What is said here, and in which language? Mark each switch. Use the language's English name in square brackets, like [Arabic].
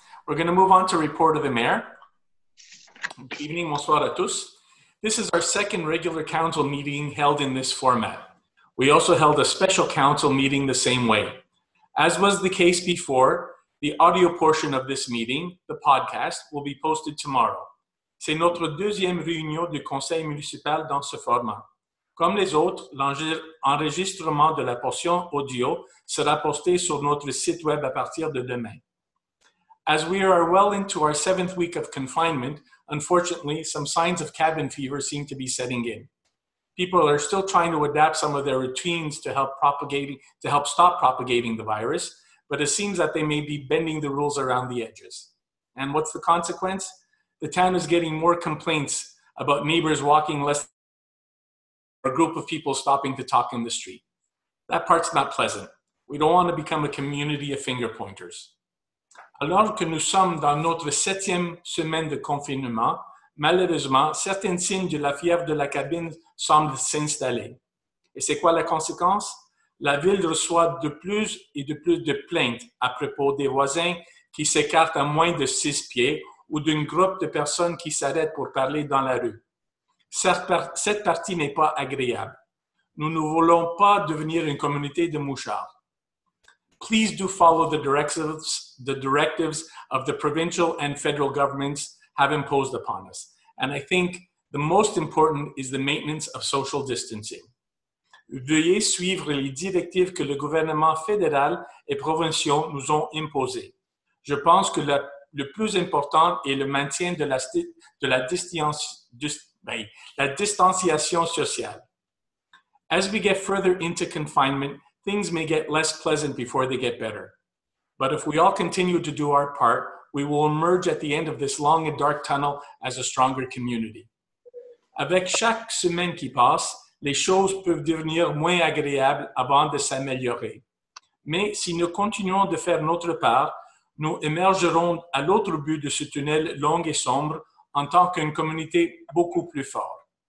[English] We're going to move on to report of the mayor. Good evening, [French] bonsoir à tous. [English] This is our second regular council meeting held in this format. We also held a special council meeting the same way. As was the case before, the audio portion of this meeting, the podcast, will be posted tomorrow. [French] C'est notre deuxième réunion du conseil municipal dans ce format. Comme les autres, l'enregistrement de la portion audio sera posté sur notre site web à partir de demain. [English] As we are well into our seventh week of confinement, unfortunately, some signs of cabin fever seem to be setting in. People are still trying to adapt some of their routines to help stop propagating the virus, but it seems that they may be bending the rules around the edges. And what's the consequence? The town is getting more complaints about neighbors walking less or a group of people stopping to talk in the street. That part's not pleasant. We don't want to become a community of finger pointers. [French] Alors que nous sommes dans notre septième semaine de confinement, malheureusement, certains signes de la fièvre de la cabine semblent s'installer. Et c'est quoi la conséquence? La ville reçoit de plus et de plus de plaintes à propos des voisins qui s'écartent à moins de 6 pieds ou d'une groupe de personnes qui s'arrêtent pour parler dans la rue. Cette partie n'est pas agréable. Nous ne voulons pas devenir une communauté de mouchards. [English] Please do follow the directives of the provincial and federal governments have imposed upon us. And I think the most important is the maintenance of social distancing. [French] Veuillez suivre les directives que le gouvernement fédéral et provincial nous ont imposées. Je pense que le plus important est le maintien de la distanciation sociale. [English] As we get further into confinement, things may get less pleasant before they get better. But if we all continue to do our part, we will emerge at the end of this long and dark tunnel as a stronger community. [French] Avec chaque semaine qui passe, les choses peuvent devenir moins agréables avant de s'améliorer. Mais si nous continuons de faire notre part, nous émergerons à l'autre bout de ce tunnel long et sombre en tant qu'une communauté beaucoup plus forte.